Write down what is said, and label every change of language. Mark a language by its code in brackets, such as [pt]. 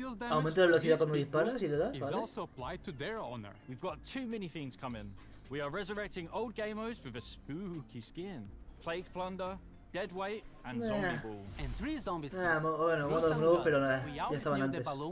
[es] Aumenta la velocidad cuando disparas y te das, ¿vale? [en] We are resurrecting old game modes with a spooky skin. Plague Plunder. Deadweight and Zombie Ball. [es] Bueno, modos nuevos, pero nada, ya estaban antes.